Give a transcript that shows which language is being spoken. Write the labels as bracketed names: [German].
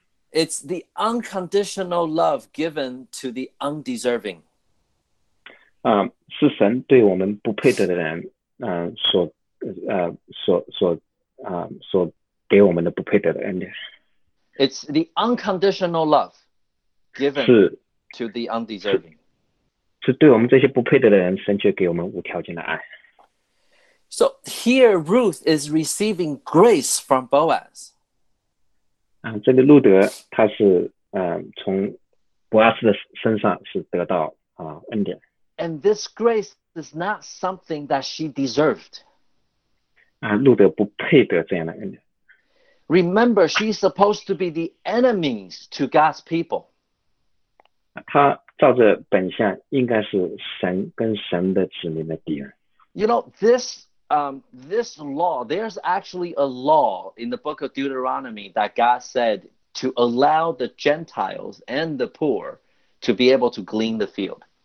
[English] It's the unconditional love given to the undeserving. [Chinese] 是神对我们不配得的人，所给我们的不配得的恩典。 [English] It's the unconditional love given [Chinese] 是 [English] to the undeserving. [Chinese] 是对我们这些不配得的人，神却给我们无条件的爱。 [English] So here, Ruth is receiving grace from Boaz. [Chinese] 这个路德，他是从博阿斯的身上是得到恩典。 [English] And this grace is not something that she deserved. [Chinese] 路德不配得这样的恩典。 [English] Remember, she's supposed to be the enemies to God's people. [Chinese] 他照着本相应该是神跟神的子民的敌人。 [English] You know, this law, there's actually a law in the book of Deuteronomy that God said to allow the Gentiles and the poor to be able to glean the field.